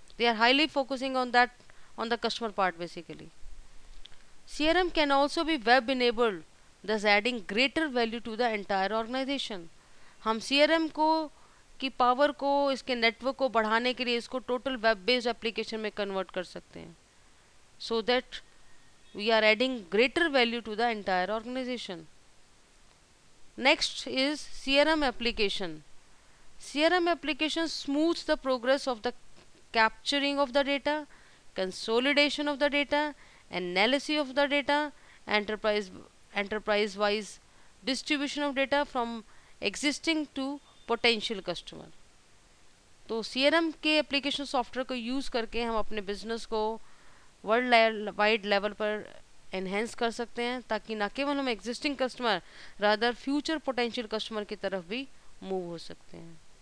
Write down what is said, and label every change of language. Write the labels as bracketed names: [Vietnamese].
[English] They are highly focusing on that, on the customer part basically. CRM can also be web enabled, thus adding greater value to the entire organisation. [Hindi] हम CRM को की power को, इसके network को बढ़ाने के लिए इसको टोटल वेब बेस्ड एप्लीकेशन में कन्वर्ट कर सकते हैं. [English] So that we are adding greater value to the entire organization. Next is CRM application. CRM application smooths the progress of the capturing of the data, consolidation of the data, analysis of the data, enterprise-wise distribution of data from existing to potential customer. [Hindi] तो CRM के application software को use करके हम अपने business को world wide level पर enhance कर सकते हैं ताकि ना केवल हम existing customer rather future potential customer की तरफ भी मूव हो सकते हैं.